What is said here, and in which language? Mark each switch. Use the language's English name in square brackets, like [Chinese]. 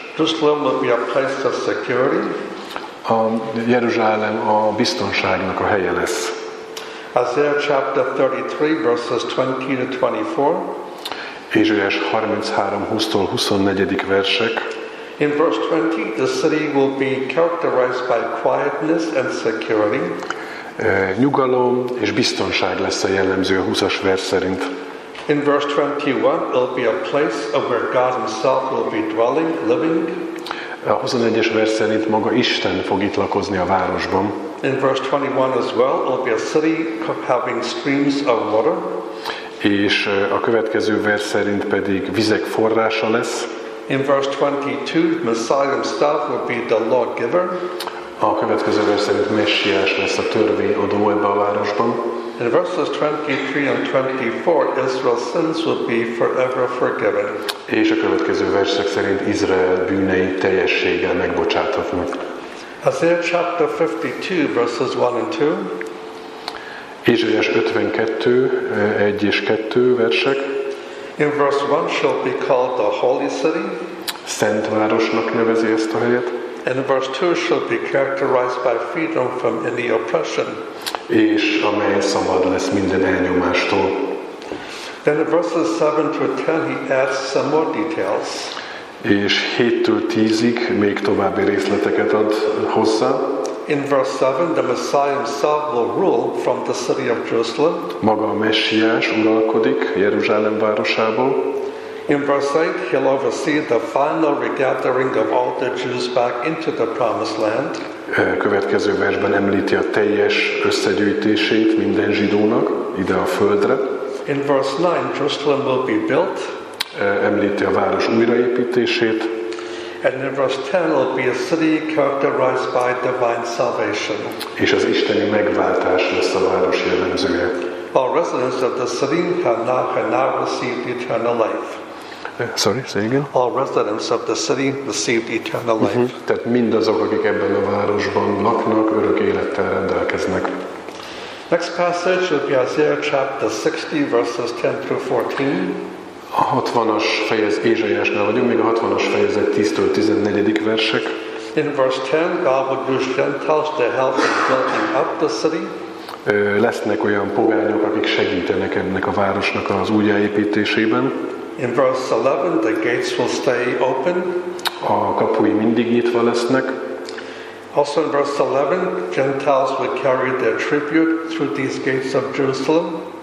[English] Jerusalem will be a place of security. [Hungarian] A Jeruzsálem a biztonságnak a helye lesz. [English] Isaiah chapter 33, verses 20-24. [Hungarian] Ézsaiás 33:20-tól 24. versek. [English] In verse 20, the city will be characterized by quietness and security. [Hungarian] Nyugalom és biztonság lesz a jellemző a 20-as vers szerint. [English] In verse 21, it'll be a place of where God himself will be dwelling, living. [Hungarian] A 21-es vers szerint maga Isten fog itt lakozni a városban. [English] In verse 21 as well, it'll be a city having streams of water. [Hungarian] És a következő vers szerint pedig vizek forrása lesz. [English] In verse 22, Messiah himself will be the lawgiver. [Hungarian] A következő vers szerint Messiás lesz a törvényadó ebben a városban. [English] In verses 23 and 24, Israel's sins will be forever forgiven. [Hungarian] És a következő versek szerint Izrael bűnei teljességgel megbocsátatnak. [English] Isaiah chapter 52, verses 1 and 2. [Hungarian] Ézsaiás 52, 1 és 2 versek. [English] In verse 1 shall be called the holy city. [Hungarian] Szent városnak nevezi ezt a helyet. [English] And verse 2 shall be characterized by freedom from any oppression. [Hungarian] És amely szabad lesz minden elnyomástól. [English] Then in verses 7-10 he adds some more details. [Hungarian] És 7-től 10-ig még további részleteket ad hozzá. [English] In verse 7, the Messiah himself will rule from the city of Jerusalem. [Hungarian] Maga a Messiás uralkodik Jeruzsálem városából. [English] In verse 8, he'll oversee the final regathering of all the Jews back into the promised land. [Hungarian] Következő versben említi a teljes összegyűjtését minden zsidónak ide a földre. [English] In verse 9, Jerusalem will be built. [Hungarian] Említi a város újraépítését. [English] And in verse 10, it'll be a city characterized by divine salvation. [Hungarian] És az isteni megváltás lesz a város jellemzője. [English] All residents of the city have now received eternal life. Sorry, say again. All residents of the city received eternal life. [Hungarian] Tehát mindazok, akik ebben a városban laknak, örök élettel rendelkeznek. [English] Next passage will be Isaiah chapter 60, verses 10 through 14. [Hungarian] A 60-as fejezet, Ézsaiásnál vagyunk, még a 60-as fejezet 10-től 14. versek. [English] In verse 10, God would use Gentiles to help in building up the city. [Hungarian] Lesznek olyan pogányok, akik segítenek ennek a városnak az újjáépítésében. [English] In verse 11, the gates will stay open. [Hungarian] A kapui mindig nyitva lesznek. [English] Also in verse 11, Gentiles will carry their tribute through these gates of Jerusalem.